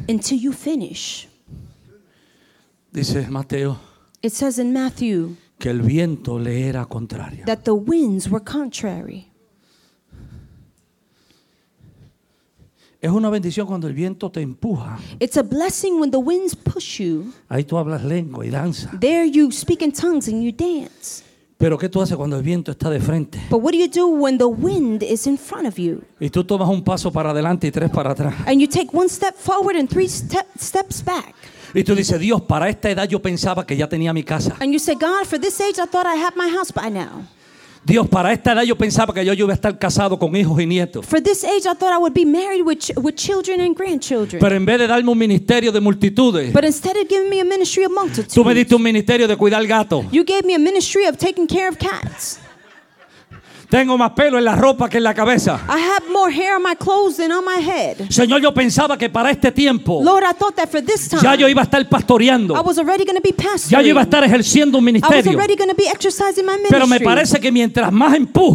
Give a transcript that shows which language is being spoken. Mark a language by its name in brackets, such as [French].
[English] Until you finish. [Spanish] Dice Mateo. [English] It says in Matthew [Spanish] que el viento le era contrario. [English] That the winds were contrary. [Spanish] Es una bendición cuando el viento te empuja. [English] It's a blessing when the winds push you. [Spanish] Ahí tú hablas lengua y danza. [English] There you speak in tongues and you dance. [Spanish] Pero ¿qué tú haces cuando el viento está de frente? [English] But what do you do when the wind is in front of you? [Spanish] Y tú tomas un paso para adelante y tres para atrás. [English] And you take one step forward and three steps back. [Spanish] Y tú dices, Dios, para esta edad yo pensaba que ya tenía mi casa. [English] And you say, God, for this age I thought I had my house by now. [Spanish] Dios, para esta edad yo pensaba que yo iba a estar casado con hijos y nietos. [English] For this age I thought I would be married with children and grandchildren. [Spanish] Pero en vez de darme un ministerio de multitudes. [English] But instead of giving me a ministry of multitudes. [Spanish] Tú me diste un ministerio de cuidar gatos. [English] You gave me a ministry of taking care of cats. [Spanish] Tengo más pelo en la ropa que en la cabeza. [English] I have more hair on my clothes than on my head. [Spanish] Señor, yo pensaba que para este tiempo. [English] Lord, I thought that for this time. [Spanish] Ya yo iba a estar pastoreando. [English] I was already going to be pastoring. [Spanish] Ya yo iba a estar ejerciendo un ministerio. [English] I was already going to be exercising my ministry. [Spanish] Pero me parece que mientras más empujo.